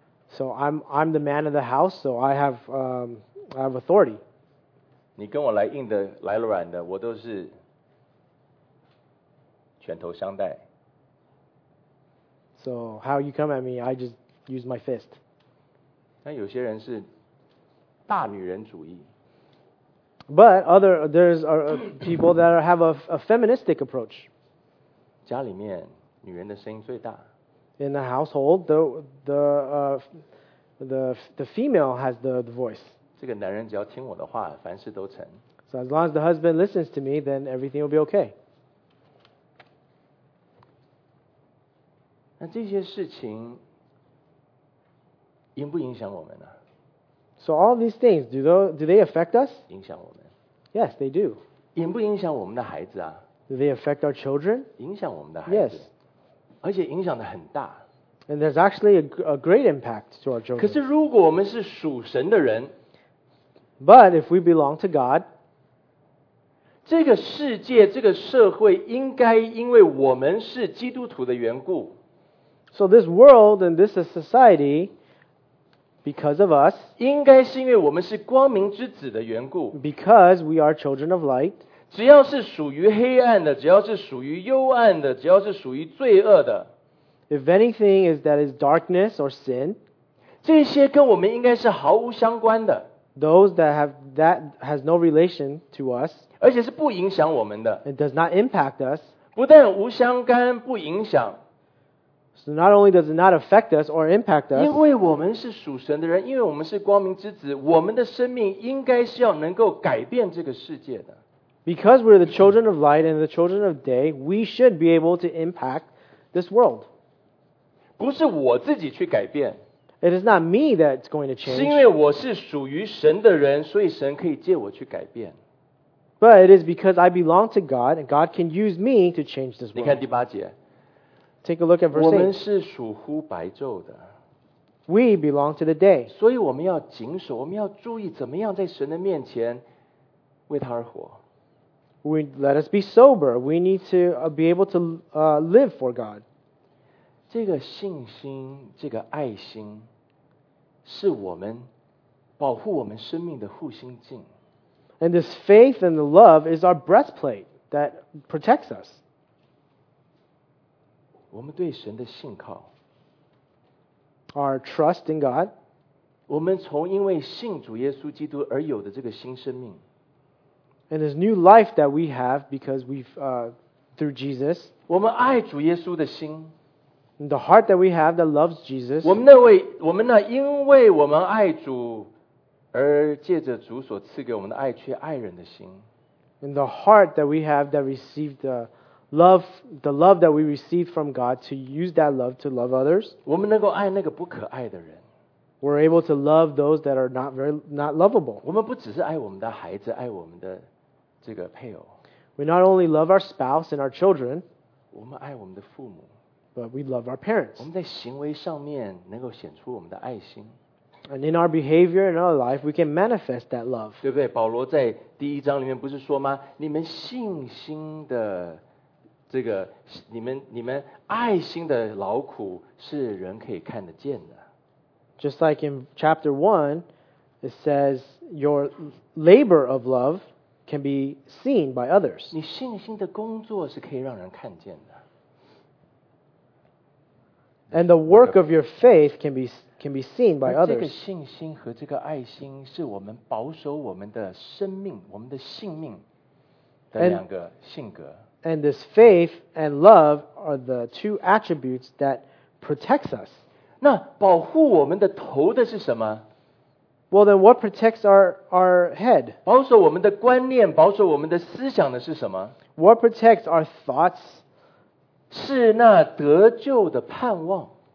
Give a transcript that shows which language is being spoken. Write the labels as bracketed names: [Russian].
[English] So I'm the man of the house, so I have authority. [Chinese] 你跟我来硬的，来了软的，我都是拳头相待。 [English] So how you come at me, I just use my fist. [Chinese] 但有些人是大女人主义。 [English] But there's are people that have a feministic approach. [Chinese] 家里面女人的声音最大。 [English] In the household, the female has the voice. [Chinese] 这个男人只要听我的话，凡事都成。 [English] So as long as the husband listens to me, then everything will be okay. [Chinese] 那这些事情影不影响我们呢？ [English] So all these things, do they affect us? [Chinese] 影响我们。 [English] Yes, they do. [Chinese] 影不影响我们的孩子啊？ [English] Do they affect our children? [Chinese] 影响我们的孩子。 [English] Yes. [Chinese] 而且影响的很大。 [English] And there's actually a great impact to our children. [Chinese] 可是如果我们是属神的人， [English] But if we belong to God, [Chinese] 这个世界，这个社会应该因为我们是基督徒的缘故。 [English] So this world and this society,Because of us, [Chinese] 应该是因为我们是光明之子的缘故。 [English] Because we are children of light, [Chinese] 只要是属于黑暗的，只要是属于幽暗的，只要是属于罪恶的， [English] If anything is that is darkness or sin, [Chinese] 这些跟我们应该是毫无相关的。 [English] Those that has no relation to us, [Chinese] 而且是不影响我们的。 [English] It does not impact us. [Chinese] 不但无相干，不影响。 [English] So not only does it not affect us or impact us, [Chinese] 因为我们是属神的人，因为我们是光明之子，我们的生命应该是要能够改变这个世界的。 [English] Because we're the children of light and the children of day, we should be able to impact this world. [Chinese] 不是我自己去改变。 [English] It is not me that's going to change. [Chinese] 是因为我是属于神的人，所以神可以借我去改变。 [English] But it is because I belong to God and God can use me to change this world. [Chinese] 你看第八节。 [English] Take a look at verse [Chinese] 8. 我们是属乎白昼的。 [English] We belong to the day. [Chinese] 所以我们要谨守，我们要注意怎么样在神的面前为他而活。 [English] Let us be sober. We need to be able to live for God. [Chinese] 这个信心，这个爱心，是我们保护我们生命的护心镜。 [English] And this faith and the love is our breastplate that protects us. [Chinese] 我们对神的信靠 [English] ，our trust in God， [Chinese] 我们从因为信主耶稣基督而有的这个新生命 [English] ，and this new life that we have because we've through Jesus， [Chinese] 我们爱主耶稣的心 [English] ，the heart that we have that loves Jesus， [Chinese] 我们那因为我们爱主而借着主所赐给我们的爱去爱人的心 [English] ，and the heart that we have that received Love, the love that we receive from God, to use that love to love others. [Chinese] 我们能够爱那个不可爱的人。 [English] We're able to love those that are not lovable. [Chinese] 我们不只是爱我们的孩子，爱我们的这个配偶。 [English] We not only love our spouse and our children. [Chinese] 我们爱我们的父母。 [English] But we love our parents. [Chinese] 我们在行为上面能够显出我们的爱心。 [English] And in our behavior, in our life, we can manifest that love. [Chinese] 对不对？保罗在第一章里面不是说吗？你们信心的这个你们爱心的劳苦是人可以看得见的。 [English] Just like in chapter 1, it says your labor of love can be seen by others. [Chinese] 你信心的工作是可以让人看见的。 [English] And the work of your faith can be seen by others. [Chinese] 这个信心和这个爱心是我们保守我们的生命、我们的性命的两个性格。 [English] And this faith and love are the two attributes that protects us. [Chinese] 那保护我们的头的是什么？ [English] Well, then what protects our head? [Chinese] 保守我们的观念、保守我们的思想的是什么？ [English] What protects our thoughts? [Chinese] 是那得救的盼望。